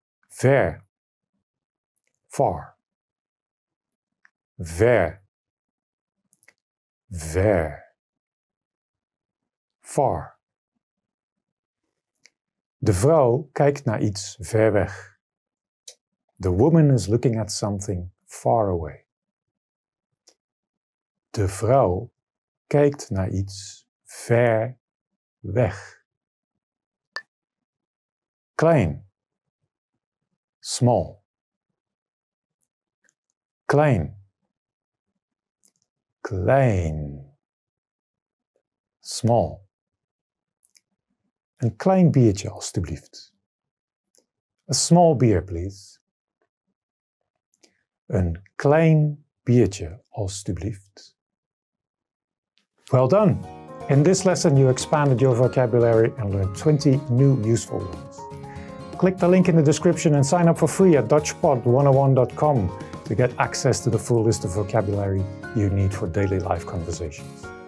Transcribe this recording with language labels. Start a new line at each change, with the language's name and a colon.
Dutch: Ver. Far. Ver. Ver. Far. De vrouw kijkt naar iets ver weg.
English: The woman is looking at something far away.
Dutch: De vrouw kijkt naar iets ver weg. Klein. Small. Klein. Klein. Small. Een klein biertje, alstublieft.
English: A small beer, please.
Dutch: Een klein biertje, alstublieft.
English: Well done! In this lesson, you expanded your vocabulary and learned 20 new useful words. Click the link in the description and sign up for free at DutchPod101.com to get access to the full list of vocabulary you need for daily life conversations.